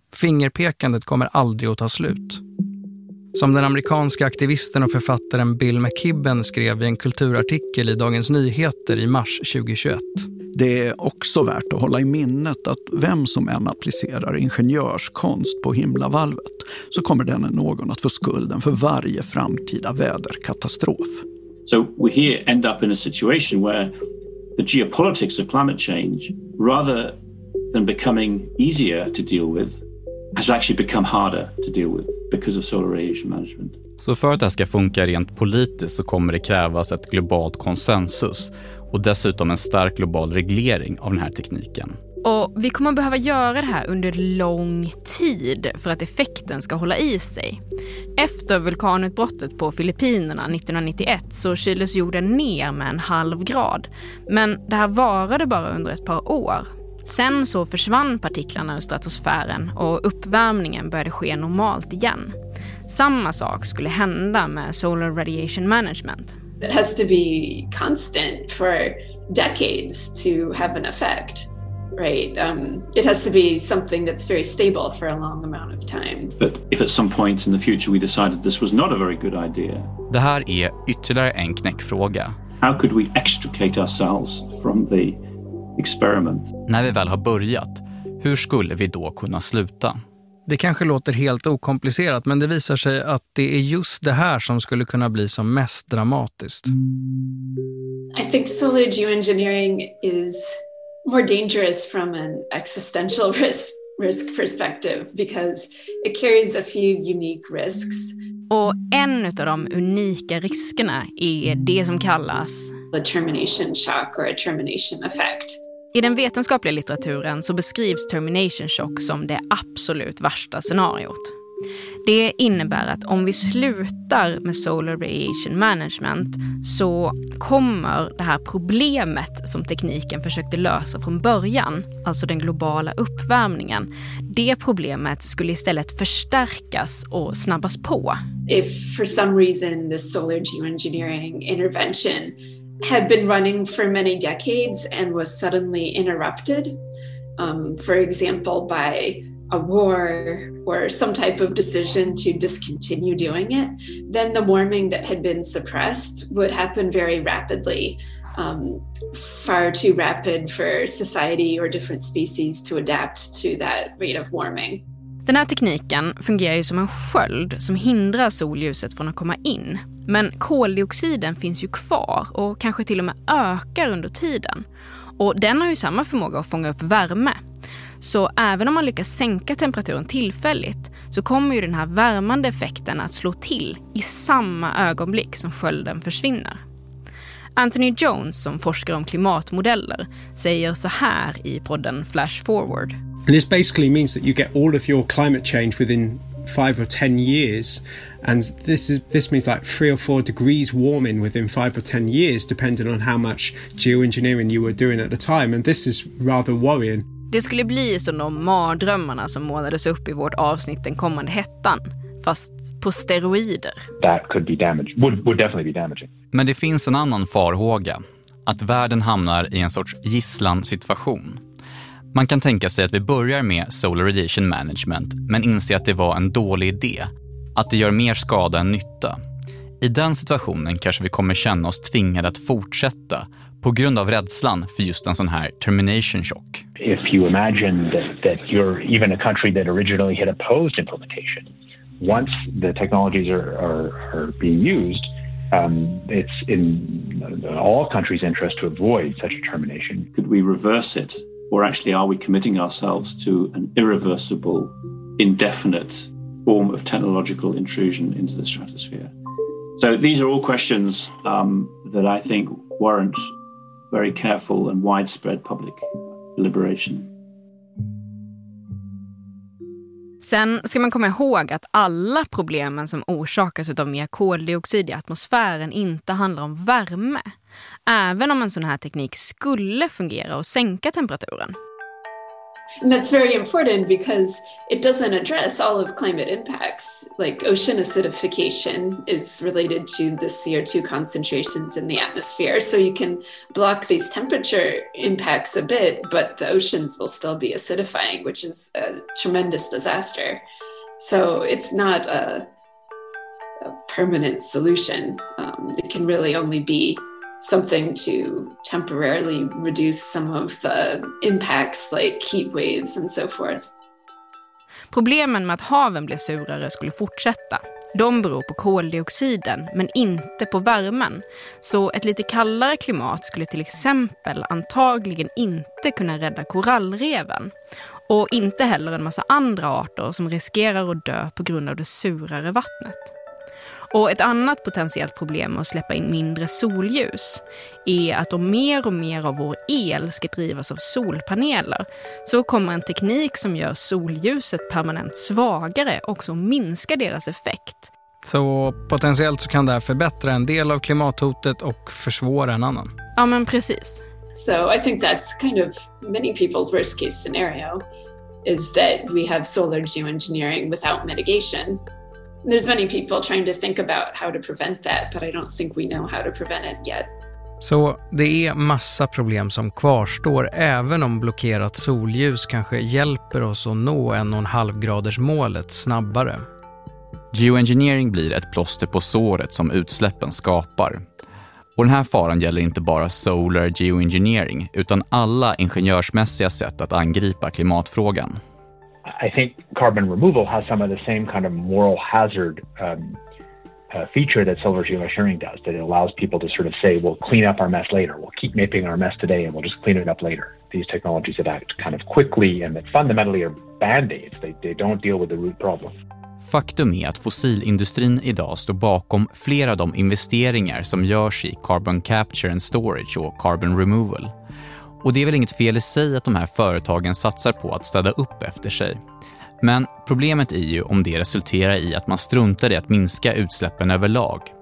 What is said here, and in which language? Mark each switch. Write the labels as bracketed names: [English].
[Swedish] Fingerpekandet kommer aldrig att ta slut. Som den amerikanska aktivisten och författaren Bill McKibben skrev i en kulturartikel i Dagens Nyheter i mars 2021. Det är också värt att hålla i minnet att vem som än applicerar ingenjörskonst på himlavalvet så kommer den någon att få skulden för varje framtida väderkatastrof. [English] So we here end up in a situation where the geopolitics of climate change rather than becoming easier to deal with has actually become harder to deal with because of solar radiation management. [Swedish] Så för att det ska funka rent politiskt så kommer det krävas ett globalt konsensus och dessutom en stark global reglering av den här tekniken. Och vi kommer behöva göra det här under lång tid för att effekten ska hålla i sig. Efter vulkanutbrottet på Filippinerna 1991 så kyldes jorden ner med en halv grad. Men det här varade bara under ett par år. Sen så försvann partiklarna ur stratosfären och uppvärmningen började ske normalt igen. Samma sak skulle hända med solar radiation management. [English] It has to be constant for decades to have an effect, right? It has to be something that's very stable for a long amount of time. But if at some point in the future we decided this was not a very good idea. [Swedish] Det här är ytterligare en knäckfråga. [English] How could we extricate ourselves from the experiment. [Swedish] När vi väl har börjat, hur skulle vi då kunna sluta? Det kanske låter helt okomplicerat, men det visar sig att det är just det här som skulle kunna bli som mest dramatiskt. [English] I think solar geoengineering is more dangerous from an existential risk perspective because it carries a few unique risks. [Swedish] Och en av de unika riskerna är det som kallas [English] a termination shock or a termination effect. [Swedish] I den vetenskapliga litteraturen så beskrivs termination shock som det absolut värsta scenariot. Det innebär att om vi slutar med solar radiation management så kommer det här problemet som tekniken försökte lösa från början, alltså den globala uppvärmningen, det problemet skulle istället förstärkas och snabbas på. [English] If for some reason the solar geoengineering intervention had been running for many decades and was suddenly interrupted, for example by a war or some type of decision to discontinue doing it, then the warming that had been suppressed would happen very rapidly, far too rapid for society or different species to adapt to that rate of warming. [Swedish] Den här tekniken fungerar ju som en sköld som hindrar solljuset från att komma in. Men koldioxiden finns ju kvar och kanske till och med ökar under tiden. Och den har ju samma förmåga att fånga upp värme. Så även om man lyckas sänka temperaturen tillfälligt så kommer ju den här värmande effekten att slå till i samma ögonblick som skölden försvinner. Anthony Jones, som forskar om klimatmodeller, säger så här i podden Flash Forward. [English] And this basically means that you get all of your climate change within 5 or 10 years, and this means like 3 or 4 degrees warming within 5 or 10 years, depending on how much geoengineering you were doing at the time, and this is rather worrying. [Swedish] Det skulle bli som de mardrömmarna som målades upp i vårt avsnitt Den kommande hettan, fast på steroider. [English] That could be damaging. Would definitely be damaging. [Swedish] Men det finns en annan farhåga, att världen hamnar i en sorts gisslansituation. Man kan tänka sig att vi börjar med solar radiation management, men inser att det var en dålig idé. Att det gör mer skada än nytta. I den situationen kanske vi kommer känna oss tvingade att fortsätta på grund av rädslan för just en sån här termination shock. [English] If you imagine that you're even a country that originally had opposed implementation, once the technologies are being used, it's in all countries' interest to avoid such a termination. Could we reverse it? Or actually, are we committing ourselves to an irreversible, indefinite form of technological intrusion into the stratosphere? So these are all questions that I think warrant very careful and widespread public deliberation. [Swedish] Sen ska man komma ihåg att alla problemen som orsakas av mer koldioxid i atmosfären inte handlar om värme. Även om en sån här teknik skulle fungera och sänka temperaturen. [English] And that's very important because it doesn't address all of climate impacts. Like ocean acidification is related to the CO2 concentrations in the atmosphere. So you can block these temperature impacts a bit, but the oceans will still be acidifying, which is a tremendous disaster. So it's not a permanent solution. It can really only be something to temporarily reduce some of the impacts like heat waves and so forth. [Swedish] Problemen med att haven blir surare skulle fortsätta. De beror på koldioxiden, men inte på värmen. Så ett lite kallare klimat skulle till exempel antagligen inte kunna rädda korallreven. Och inte heller en massa andra arter som riskerar att dö på grund av det surare vattnet. Och ett annat potentiellt problem med att släppa in mindre solljus är att om mer och mer av vår el ska drivas av solpaneler så kommer en teknik som gör solljuset permanent svagare också minska deras effekt. Så potentiellt så kan det här förbättra en del av klimathotet och försvåra en annan. Ja, men precis. [English] So I think that's kind of many people's worst case scenario is that we have solar geoengineering without mitigation. There's many people trying to think about how to prevent that, but I don't think we know how to prevent it yet. [Swedish] Så det är massa problem som kvarstår även om blockerat solljus kanske hjälper oss att nå 1,5 graders målet snabbare. Geoengineering blir ett plåster på såret som utsläppen skapar. Och den här faran gäller inte bara solar geoengineering utan alla ingenjörsmässiga sätt att angripa klimatfrågan. [English] I think carbon removal has some of the same kind of moral hazard feature that solar geoengineering does, that it allows people to sort of say, we'll clean up our mess later, we'll keep mapping our mess today and we'll just clean it up later. These technologies that act kind of quickly and that fundamentally are band-aids, they don't deal with the root problem. [Swedish] Faktum är att fossilindustrin idag står bakom flera av de investeringar som görs i carbon capture and storage och carbon removal. Och det är väl inget fel i sig att de här företagen satsar på att städa upp efter sig. Men problemet är ju om det resulterar i att man struntar i att minska utsläppen överlag.